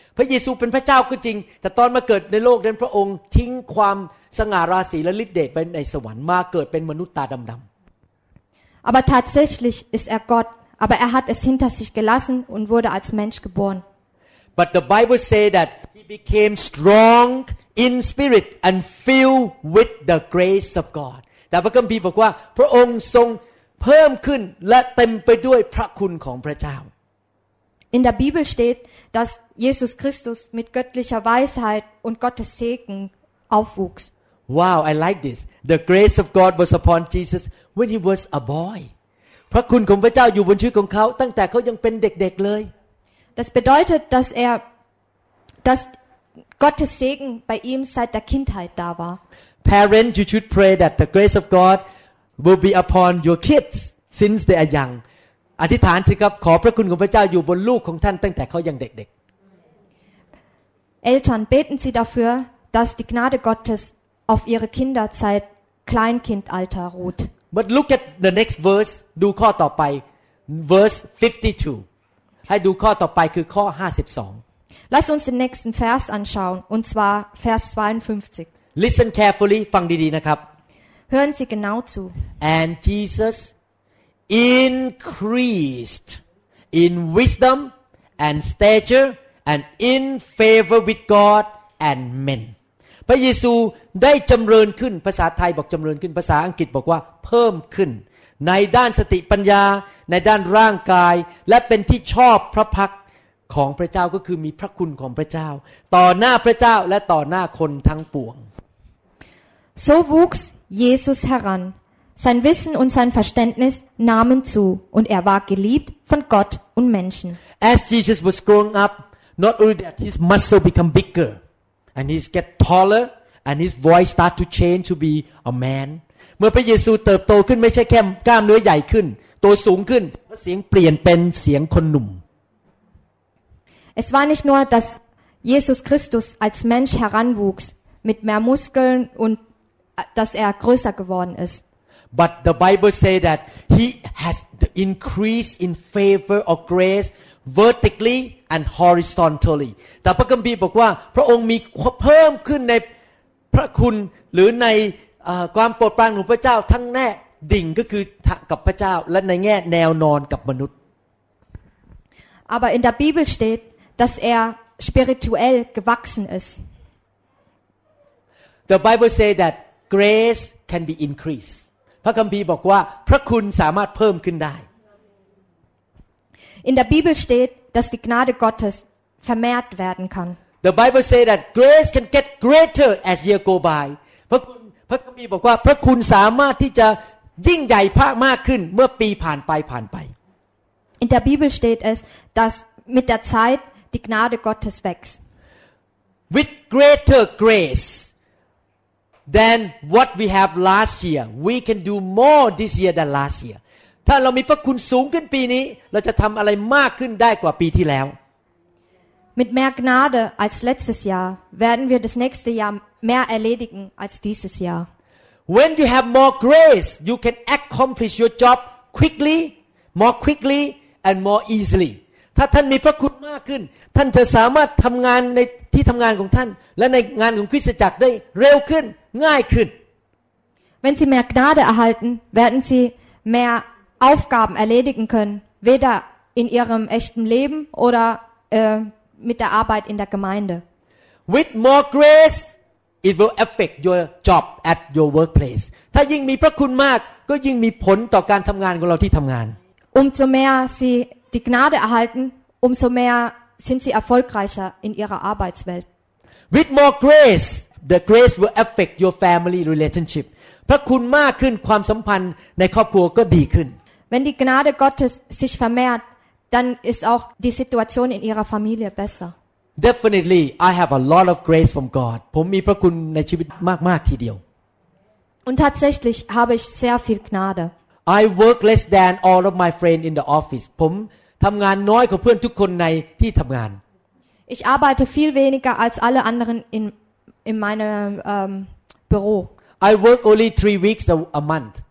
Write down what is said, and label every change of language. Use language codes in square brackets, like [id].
[th] พระเยซูเป็นพระเจ้าก็จริงแต่ตอนมาเกิดในโลกนั้นพระองค์ทิ้งความสง่าราศีและฤทธิ์เดชไปในสวรรค์มาเกิดเป็นมนุษย์ตาดำๆ [de] Aber tatsächlich ist er Gott, aber er hat es hinter sich gelassen und wurde als Mensch geboren. [en] But the Bible say that he became strong in spirit and filled with the grace of God. [th] แต่พระคัมภีร์บอกว่าพระองค์ทรงเพิ่มขึ้นและเต็มไปด้วยพระคุณของพระเจ้า [de] In der Bibel steht, dass Jesus Christus mit göttlicher Weisheit und Gottes Segen aufwuchs. [en] Wow, I like this. The grace of God was upon Jesus when he was a boy. [th] พระคุณของพระเจ้าอยู่บนชีวิตของเขาตั้งแต่เขายังเป็นเด็กๆเลย [de] Das bedeutet, dass er dass Gottes Segen bei ihm seit der Kindheit da war. [en] Parents, you should pray that the grace of God will be upon your kids since they are young. [th] อธิษฐานสิครับขอพระคุณของพระเจ้าอยู่บนลูกของท่านตั้งแต่เขายังเด็ก [de] ๆ Eltern beten Sie dafür, dass die Gnade Gottes auf ihre Kinder seit Kleinkindalter ruht. [en] But look at the next verse. [th] ดูข้อต่อไป [en] verse 52. [th] ให้ดูข้อต่อไปคือข้อ52. [de] Lass uns den nächsten Vers anschauen und zwar Vers 52. [en] Listen carefully. [th] ฟังดีๆนะครับ [de] Hören Sie genau zu. [en] And JesusIncreased in wisdom and stature and in favor with God and men. [th] พระเยซูได้จำเริญขึ้นภาษาไทยบอกจำเริญขึ้นภาษาอังกฤษบอกว่าเพิ่มขึ้นในด้านสติปัญญาในด้านร่างกายและเป็นที่ชอบพระพักของพระเจ้าก็คือมีพระคุณของพระเจ้าต่อหน้าพระเจ้าและต่อหน้าคนทั้งปวง [de] So wuchs Jesus heranSein Wissen und sein Verständnis nahmen zu und er war geliebt von Gott und Menschen. [en] As Jesus was growing up, not only that, his muscle become bigger and he's get taller and his voice start to change to be a man. [th] เมื่อพระเยซูเติบโตขึ้นไม่ใช่แค่กล้ามเนื้อใหญ่ขึ้นตัวสูงขึ้นเสียงเปลี่ยนเป็นเสียงคนหนุ่ม [de] Es war nicht nur, dass Jesus Christus als Mensch heranwuchs mit mehr Muskeln und dass er größer geworden ist. [en] But the Bible say that he has the increase in favor or grace vertically and horizontally. [th] แต่พระคัมภีร์บอกว่าพระองค์มีเพิ่มขึ้นในพระคุณหรือในความโปรดปรานของพระเจ้าทั้งแน่ดิ่งก็คือกับพระเจ้าและในแง่แนวนอนกับมนุษย์ [de] Aber in der Bibel steht, dass er spirituell gewachsen ist. [en] The Bible say that grace can be increased. [th] พระคัมภีร์บอกว่าพระคุณสามารถเพิ่มขึ้นได้ [de] In der Bibel steht, dass die Gnade Gottes vermehrt werden kann. [en] The Bible say that grace can get greater as year go by. [th] พระคัมภีร์บอกว่าพระคุณสามารถที่จะยิ่งใหญ่พระมากขึ้นเมื่อปีผ่านไป [de] In der Bibel steht es, dass mit der Zeit die Gnade Gottes wächst. [en] With greater graceThen what we have last year, we can do more this year than last year. [th] ถ้าเรามีพระคุณสูงขึ้นปีนี้เราจะทำอะไรมากขึ้นได้กว่าปีที่แล้ว [de] Mit mehr Gnade als letztes Jahr werden wir das nächste Jahr mehr erledigen als dieses Jahr. [en] When you have more grace, you can accomplish your job quickly, more quickly and more easily. [th] ถ้าท่านมีพระคุณมากขึ้นท่านจะสามารถทำงานในที่ทำงานของท่านและในงานของคริสตจักรได้เร็วขึ้นง่ายขึ้น [de] Wenn Sie mehr Gnade erhalten, werden Sie mehr Aufgaben erledigen können, weder in Ihrem echten Leben oder mit der Arbeit in der Gemeinde. [en] With more grace, it will affect your job at your workplace. [th] ถ้ายิ่งมีพระคุณมากก็ยิ่งมีผลต่อการทำงานของเราที่ทำงาน [de] Umso mehr Sie die Gnade erhalten, umso mehr sind Sie erfolgreicher in Ihrer Arbeitswelt. [en] With more grace. The grace will affect your family relationship. [th] พระคุณมากขึ้นความสัมพันธ์ในครอบครัวก็ดีขึ้น [de] Wenn die Gnade Gottes sich vermehrt, dann ist auch die Situation in ihrer Familie besser. [en] Definitely, I have a lot of grace from God. [th] ผมมีพระคุณในชีวิตมากมากทีเดียว [de] Und tatsächlich habe ich sehr viel Gnade. [en] I work less than all of my friends in the office. [th] ผมทำงานน้อยกว่าเพื่อนทุกคนในที่ทำงาน [de] Ich arbeite viel weniger als alle anderen in meinem Büro. [en] I work only 3 weeks a month.